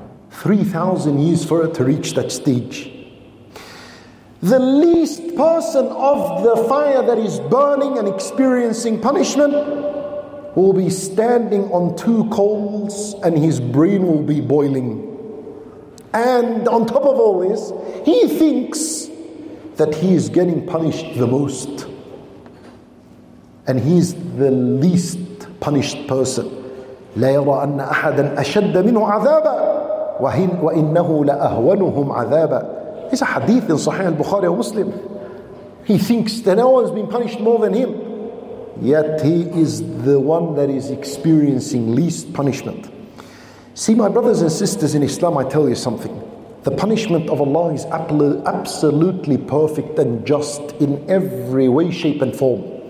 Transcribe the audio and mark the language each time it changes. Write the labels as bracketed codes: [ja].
[en] 3,000 years for it to reach that stage. The least person of the fire that is burning and experiencing punishment will be standing on 2 coals, and his brain will be boiling. And on top of all this, he thinks that he is getting punished the most, and he's the least punished person. [ar] لا يرى أن أحدا أشد منه عذابا وإنه لأهونهم عذابا. [en] It's a hadith in Sahih al-Bukhari or Muslim. He thinks that no one's been punished more than him, yet he is the one that is experiencing least punishment. See, my brothers and sisters in Islam, I tell you something. The punishment of Allah is absolutely perfect and just in every way, shape and form.